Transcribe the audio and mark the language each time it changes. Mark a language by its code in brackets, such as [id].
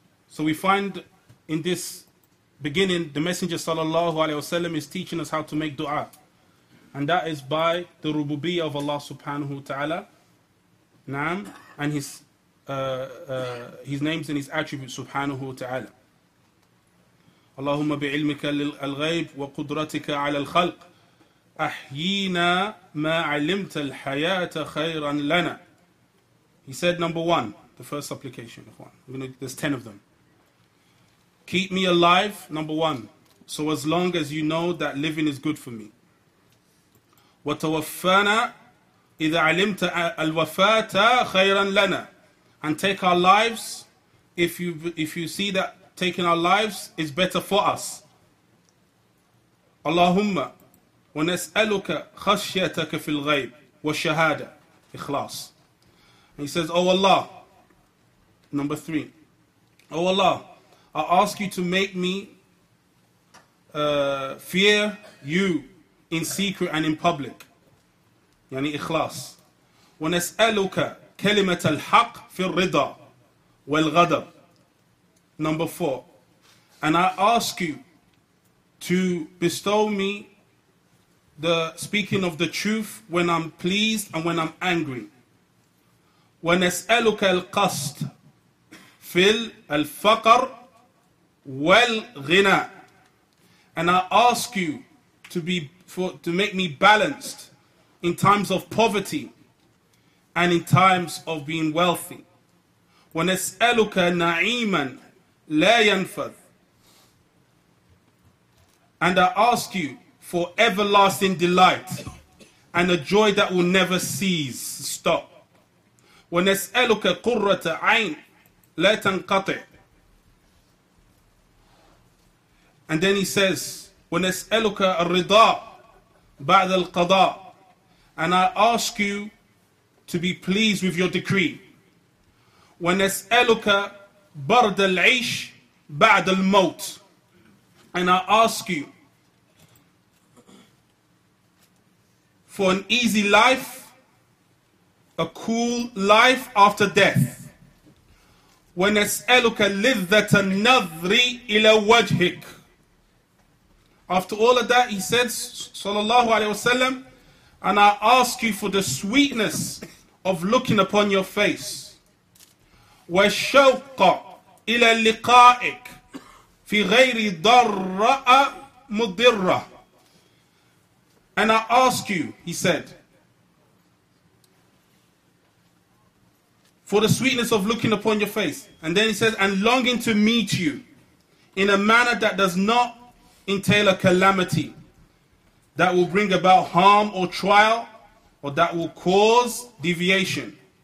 [en] So we find in this beginning the Messenger صلى الله عليه وسلم is teaching us how to make dua, and that is by the rububiyya of Allah subhanahu wa ta'ala, naam, and his names and his attributes, subhanahu wa ta'ala. [ar] اللهم بعلمك الغيب وقدرتك على الخلق أحيينا ما علمت الحياة خيرا لنا. [en] He said number one, the first supplication. There's 10 of them. Keep me alive, number one, so as long as you know that living is good for me. [ar] وتوفانا إذا علمت الوفاة خيرا لنا. [en] And take our lives if you see that taking our lives is better for us. [ar] اللهم ونسألك خشيتك في الغيب والشهادة إخلاص. [en] And he says, O Allah, number three, O Allah, I ask you to make me fear you in secret and in public. Yani ikhlas. [ar] ونسألك كلمة الحق في الرضا والغضب. [en] Number four. And I ask you to bestow me the speaking of the truth when I'm pleased and when I'm angry. [ar] ونسألك القصد في الفقر والغنى. [en] And I ask you to make me balanced in times of poverty and in times of being wealthy. [ar] ونسألك نعيما لا ينفذ. [en] And I ask you for everlasting delight and a joy that will never cease, stop. [ar] ونسألك قرة عين لا تنقطع. [en] And then he says, [ar] ونسألك الرضا بعد القضاء. [en] And I ask you to be pleased with your decree. [ar] ونسألك برد العيش بعد الموت. [en] And I ask you for an easy life, a cool life after death. [ar] ونسألك لذة النظر إلى وجهك. [en] After all of that, he said, sallallahu alayhi wa sallam, and I ask you for the sweetness of looking upon your face. [ar] وشوق إلى لقائك في غير ضراء مضرة. [en] And I ask you, he said, for the sweetness of looking upon your face. And then he says, and longing to meet you in a manner that does not entail a calamity that will bring about harm or trial or that will cause deviation.